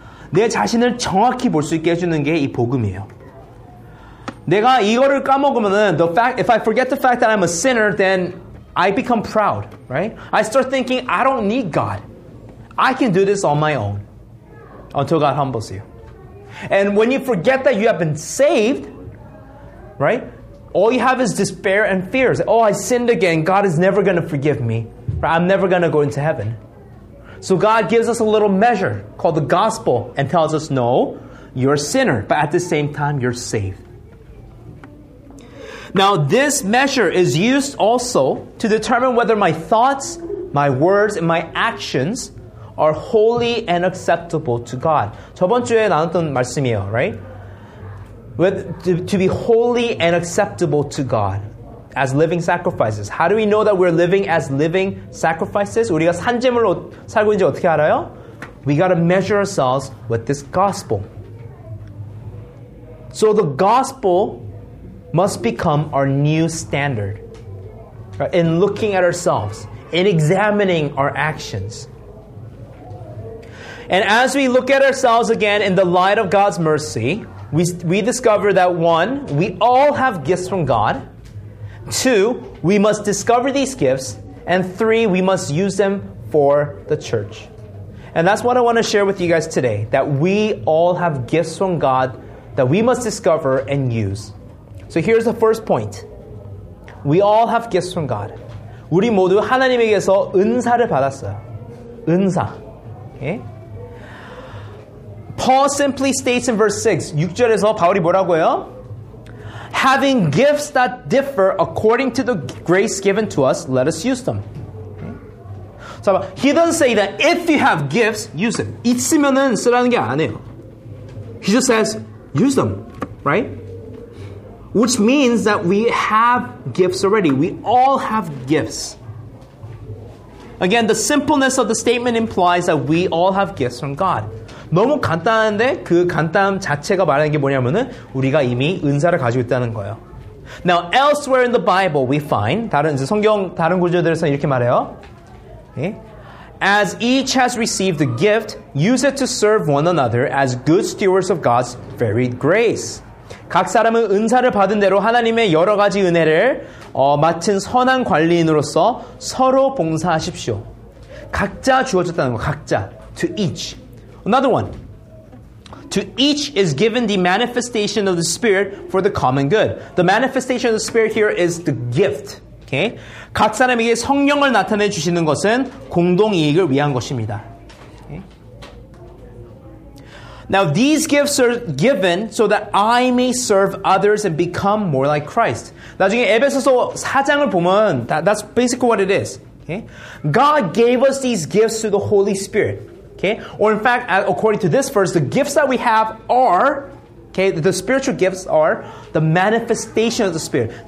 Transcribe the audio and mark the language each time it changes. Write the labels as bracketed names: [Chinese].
[Korean] 내 자신을 정확히 볼 수 있게 해주는 게 이 복음이에요. 내가 이거를 까먹으면은, [English] the fact, if I forget the fact that I'm a sinner, then I become proud, right? I start thinking, I don't need God. I can do this on my own. Until God humbles you. And when you forget that you have been saved, right? All you have is despair and fears. Oh, I sinned again. God is never going to forgive me. Right? I'm never going to go into heaven. So God gives us a little measure called the gospel and tells us, no, you're a sinner. But at the same time, you're saved. Now, this measure is used also to determine whether my thoughts, my words, and my actions are holy and acceptable to God. [Korean] 저번 주에 나눴던 말씀이에요, [English] right? With, to be holy and acceptable to God. as living sacrifices. How do we know that we're living as living sacrifices? [Korean] 우리가 산 제물로 살고 있는지 어떻게 알아요? [English] We got to measure ourselves with this gospel. So the gospel must become our new standard in looking at ourselves, in examining our actions. And as we look at ourselves again in the light of God's mercy, we discover that one, we all have gifts from God. Two, we must discover these gifts. And three, we must use them for the church. And that's what I want to share with you guys today, that we all have gifts from God that we must discover and use. So here's the first point. We all have gifts from God. [Korean] 우리 모두 하나님에게서 은사를 받았어요. [English] 은사. Okay? Paul simply states in verse 6, [Korean] 6절에서 바울이 뭐라고 해요? [English] Having gifts that differ according to the grace given to us, let us use them. So he doesn't say that if you have gifts, use them. [Korean] 있으면은 쓰라는 게 아니에요. [English] He just says, use them, right? Which means that we have gifts already. We all have gifts. Again, the simpleness of the statement implies that we all have gifts from God. [Korean] 너무 간단한데 그 간단함 자체가 말하는 게 뭐냐면은 우리가 이미 은사를 가지고 있다는 거예요. [English] Now, elsewhere in the Bible, we find, [Korean] 다른 이제 성경 다른 구절들에서는 이렇게 말해요. [English] As each has received a gift, use it to serve one another as good stewards of God's varied grace. [Korean] 각 사람은 은사를 받은 대로 하나님의 여러 가지 은혜를 맡은 선한 관리인으로서 서로 봉사하십시오. 각자 주어졌다는 거, 각자. [English] To each. Another one. To each is given the manifestation of the Spirit for the common good. The manifestation of the Spirit here is the gift. Okay? [Korean] 각 사람에게 성령을 나타내 주시는 것은 공동 이익을 위한 것입니다. [English] Now, these gifts are given so that I may serve others and become more like Christ. [Korean] 나중에 에베소서 4장을 보면, [English] that's basically what it is. Okay? God gave us these gifts through the Holy Spirit. Okay? Or in fact, according to this verse, the gifts that we have are, okay, the spiritual gifts are the manifestation of the Spirit.